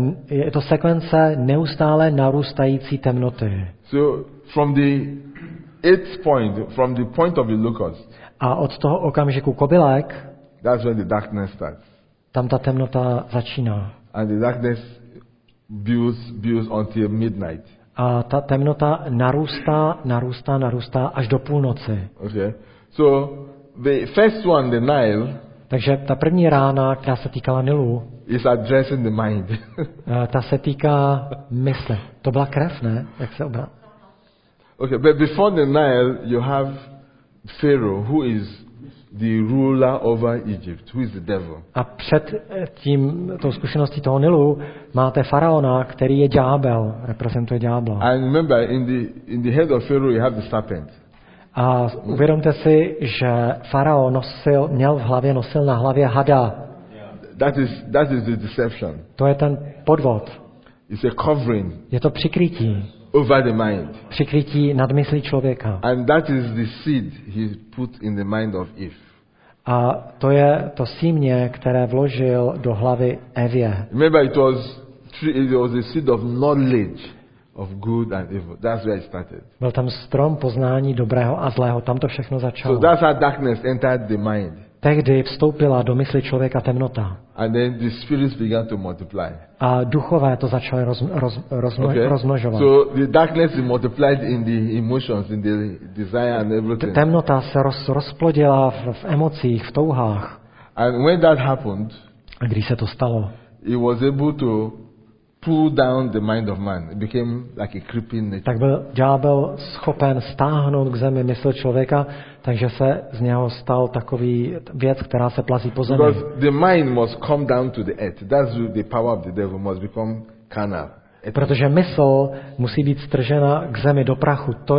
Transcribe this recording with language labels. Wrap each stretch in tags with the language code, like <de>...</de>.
<cs>Je to sekvence neustále narůstající temnoty.</cs> <en>So from the eighth point, from the point of the locust.</en> <cs>A od toho okamžiku kobylek.</cs> <en>That's when the darkness starts.</en> <cs>Tam ta temnota začíná.</cs> <en>And the darkness builds until midnight.</en> <cs>A ta temnota narůstá až do půlnoci.</cs> <en>Okay. So the first one, the Nile.</en> <cs>Takže ta první rána, která se týkala Nilu,</cs> <en>is addressing the mind.</en> <cs>Ta se týká mysle. To byla krev, ne? Jak se obrá?</cs> <en>Okay, but before the Nile, you have Pharaoh, who is the ruler over Egypt, who is the devil.</en> <cs>A před tím tou zkušeností toho Nilu máte faraona, který je ďábel, reprezentuje ďábla.</cs> <en>And remember, in the head of Pharaoh, you have the serpent.</en> <cs>A uvědomte si, že farao měl na hlavě hada.</cs> <en>That is the deception.</en> <cs>To je ten podvod.</cs> <en>It's a covering.</en> <cs>Je to přikrytí.</cs> <en>Over the mind.</en> <cs>Přikrytí nad myslí člověka.</cs> <en>And that is the seed he put in the mind of Eve.</en> <cs>A to je to sémě, které vložil do hlavy Evě.</cs> <en>Maybe it was a seed of knowledge. of good and evil. That's where it started.</en> <cs>Byl tam strom poznání dobrého a zlého. Tam to všechno začalo.</cs> <en>So that's how darkness entered the mind.</en> <cs>Tehdy vstoupila do mysli člověka temnota.</cs> <en>And then the spirits began to multiply.</en> <cs>A duchové to začaly rozmnožovat.</cs> <en>So the darkness multiplied in the emotions, in the desire and everything.</en> <cs>Temnota se rozplodila v emocích, v touhách.</cs> <en>And when that happened,</en> <cs>a když se to stalo,</cs> <en>it was able to pull down the mind of man. It became like a creeping nature.</en> <cs>Tak byl ďábel schopen stáhnout k zemi mysl člověka, takže se z něho stal takový věc, která se plazí po zemi.</cs> <en>Because the mind must come down to the earth. That's the power of the devil must become carnal.</en> <cs>Protože mysl musí být stržena k zemi do prachu.</cs>